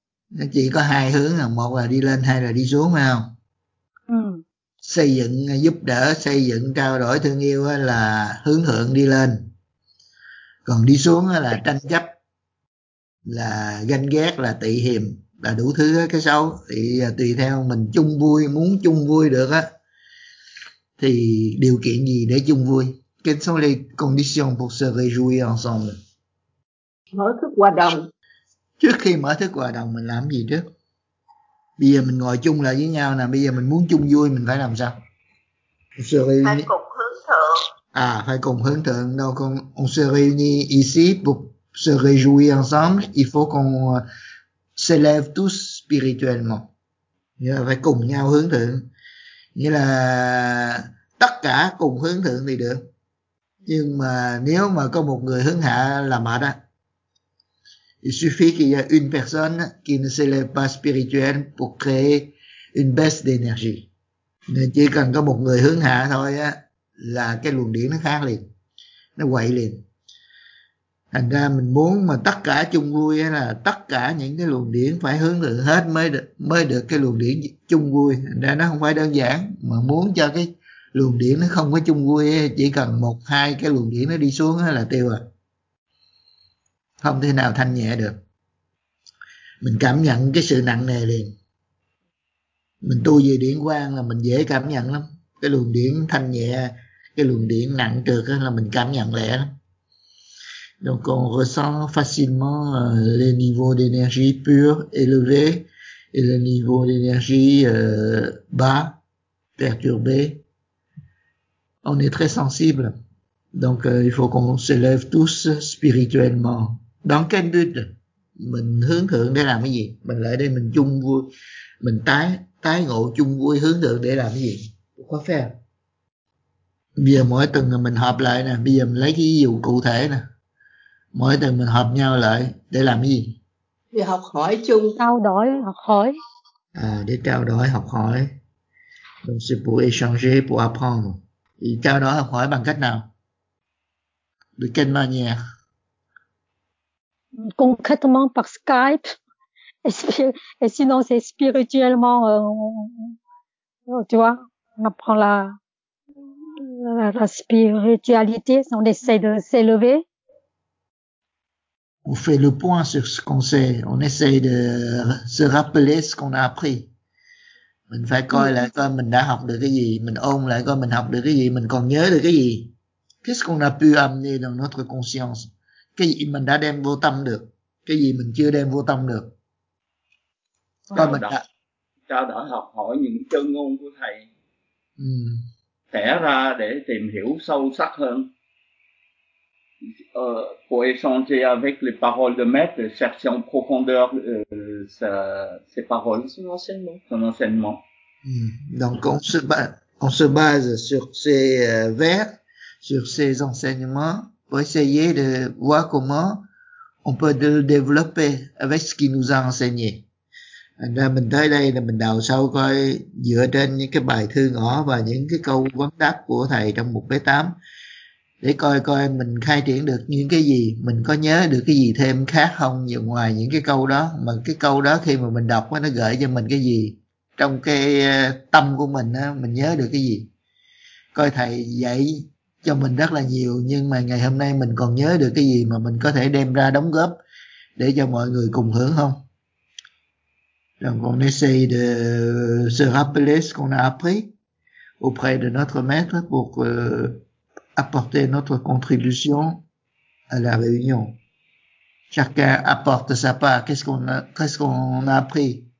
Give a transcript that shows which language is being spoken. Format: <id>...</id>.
<vi>Nó chỉ có hai hướng, một là đi lên, hai là đi xuống, phải không? Xây dựng, giúp đỡ, xây dựng, trao đổi, thương yêu là hướng thượng đi lên. Còn đi xuống là tranh chấp, là ganh ghét, là tị hiềm, là đủ thứ cái xấu. Thì tùy theo mình chung vui, muốn chung vui được á, thì điều kiện gì để chung vui?</vi> <fr>Quelles sont les conditions pour se réjouir ensemble?</fr> <vi>Mở thức hòa đồng. Trước khi mở thức hòa đồng mình làm gì trước? Bây giờ mình ngồi chung lại với nhau nè, bây giờ mình muốn chung vui mình phải làm sao? Phải cùng hướng thượng. À, phải cùng hướng thượng. Đâu con,</vi> <fr>on se réunit ici pour se réjouir ensemble, il faut qu'on s'élève tous spirituellement.</fr> <vi>Là phải cùng nhau hướng thượng. Nghĩa là tất cả cùng hướng thượng thì được. Nhưng mà nếu mà có một người hướng hạ là mệt á.</vi> <fr>Il suffit qu'il y a une personne qui ne s'élève pas spirituelle pour créer une baisse d'énergie.</fr> <vi>Nên chỉ cần có một người hướng hạ thôi á, là cái luồng điện nó khác liền, nó quậy liền. Thành ra mình muốn mà tất cả chung vui á, là tất cả những cái luồng điện phải hướng thượng hết mới được cái luồng điện chung vui. Thành ra nó không phải đơn giản, mà muốn cho cái luồng điện nó không có chung vui á, chỉ cần một hai cái luồng điện nó đi xuống á, là tiêu rồi. Không thể nào thanh nhẹ được. Mình cảm nhận cái sự nặng nề liền. Mình tu về điển quang là mình dễ cảm nhận lắm. Cái luồng điển thanh nhẹ, cái luồng điển nặng trược là mình cảm nhận lẹ lắm.</vi> <fr>Donc on ressent facilement les niveaux d'énergie pure élevés et le niveau d'énergie bas, perturbé. on est très sensible. Donc, il faut qu'on s'élève tous spirituellement. Dans quel but?</fr> <vi>Mình hướng thượng để làm cái gì? Mình lại đây mình chung vui, mình tái ngộ chung vui hướng thượng để làm cái gì? Có phải không? Bây giờ mỗi tuần mình họp lại nè, bây giờ mình lấy cái ví dụ cụ thể nè. Mỗi tuần mình họp nhau lại để làm cái gì? Để học hỏi chung. Trao đổi, học hỏi. À, để trao đổi, học hỏi.</vi> <fr>Donc c'est pour échanger, pour apprendre.</fr> <vi>Thì trao đổi, học hỏi bằng cách nào?</vi> <fr>De quelle manière? Concrètement par Skype. Et sinon c'est spirituellement, tu vois, on apprend la spiritualité, on essaie de s'élever. On fait le point sur ce qu'on sait, on essaie de se rappeler ce qu'on a appris.</fr> <vi>Mình phải coi lại coi mình đã học được cái gì, mình ôn lại coi mình học được cái gì, mình còn nhớ được cái gì.</vi> <fr>Qu'est-ce qu'on a pu amener dans notre conscience?</fr> <vi>Cái gì mình đã đem vô tâm được, cái gì mình chưa đem vô tâm được. Coi mình đã trao đổi học hỏi những chân ngôn của thầy. Thẻ ra để tìm hiểu sâu sắc hơn.</vi> <fr>Pour échanger avec les paroles de maître, chercher en profondeur ses paroles, son enseignement. Donc on se base sur ces vers, sur ces enseignements, pour essayer de voir comment on peut le développer avec ce qu'il nous a enseigné.</fr> <vi>Thành ra mình tới đây là mình đào sâu coi dựa trên những cái bài thư ngỏ và những cái câu vấn đáp của thầy trong mục bế tám để coi mình khai triển được những cái gì, mình có nhớ được cái gì thêm khác không ngoài những cái câu đó, mà cái câu đó khi mà mình đọc nó gợi cho mình cái gì trong cái tâm của mình á, mình nhớ được cái gì. Coi thầy dạy cho mình rất là nhiều nhưng mà ngày hôm nay mình còn nhớ được cái gì mà mình có thể đem ra đóng góp để cho mọi người cùng hưởng không.</vi> <fr>Donc on essaye de se rappeler ce qu'on a appris auprès de notre maître pour apporter notre contribution à la réunion. Chacun apporte sa part. Qu'est-ce qu'on a appris?</fr>